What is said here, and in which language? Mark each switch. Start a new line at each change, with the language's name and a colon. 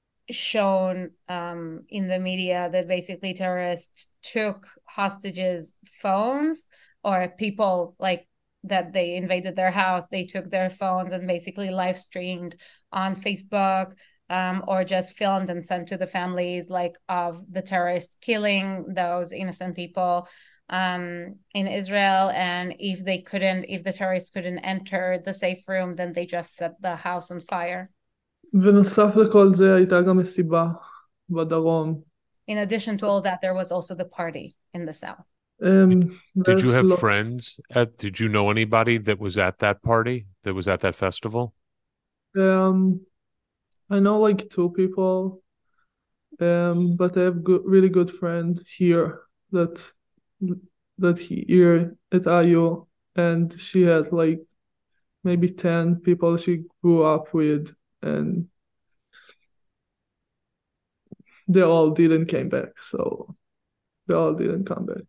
English: shown in the media that basically terrorists took hostages' phones, or people like that they invaded their house, they took their phones and basically live streamed on Facebook, or just filmed and sent to the families like of the terrorists killing those innocent people in Israel. And if they couldn't, if the terrorists couldn't enter the safe room, then they just set the house on fire.
Hebrew: ונוסף לכל זה הייתה גם מסיבה בדרום.
English: In addition to all that, there was also the party in the south. Did you have friends? Did you know anybody that was at that party, that was at that festival? I know like two people, but I have good, really good friend here that he here at IU, and she had like maybe 10 people she grew up with, and they all didn't came back, so they all didn't come back.